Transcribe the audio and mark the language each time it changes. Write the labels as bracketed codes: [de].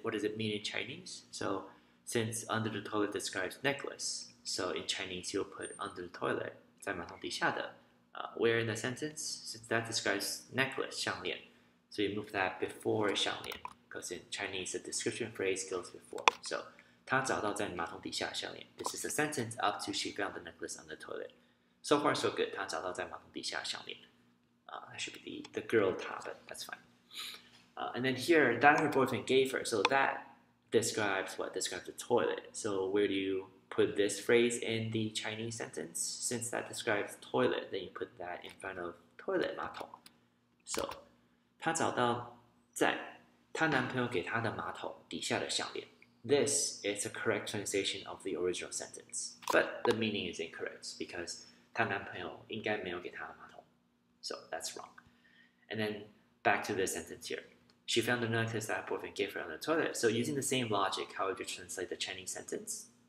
[en] What does it mean in Chinese? So since under the toilet describes necklace, so in Chinese you'll put under the toilet, [zh] 在马桶底下的. [en] Where in the sentence? Since that describes necklace, 项链.So you move that before 项链, because in Chinese the description phrase goes before. [zh] So 她找到在马桶底下项链. [en] This is the sentence up to she found the necklace on the toilet. So far so good. [zh] 她找到在马桶底下项链. [en] That should be the girl 她, but that's fine. And then here, that her boyfriend gave her. So that describes what? Describes the toilet. So where do you put this phrase in the Chinese sentence? Since that describes toilet, then you put that in front of toilet 马桶. [zh] So 她找到在她男朋友给她的马桶底下的项链. [en] This is a correct translation of the original sentence, but the meaning is incorrect because [zh] 她男朋友应该没有给她的马桶. [en] So that's wrong. And then back to this sentence here. She found the necklace that her boyfriend gave her on the toilet. So using the same logic, how would you translate the Chinese sentence?